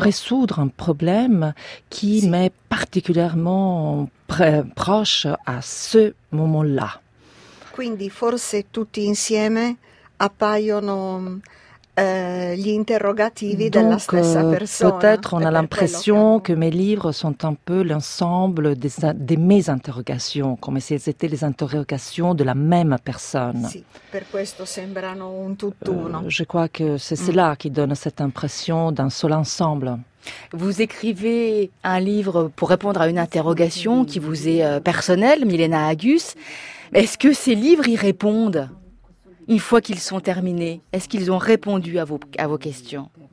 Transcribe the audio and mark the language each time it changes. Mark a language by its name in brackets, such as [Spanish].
[Italian] Risolvere un problema che mi è particolarmente [French] proche a ce momento-là. [Italian] Quindi forse tutti insieme appaiono gli interrogativi della stessa persona. [French] Peut-être on a l'impression que mes livres sont un peu l'ensemble des mes interrogations, comme si elles étaient les interrogations de la même personne. [Italian] Sì, per questo sembrano un tutt'uno. [French] Je crois que c'est cela qui donne cette impression d'un seul ensemble. Vous écrivez un livre pour répondre à une interrogation qui vous est personnelle, Milena Agus. Est-ce que ces livres y répondent? Une fois qu'ils sont terminés, est-ce qu'ils ont répondu à vos questions?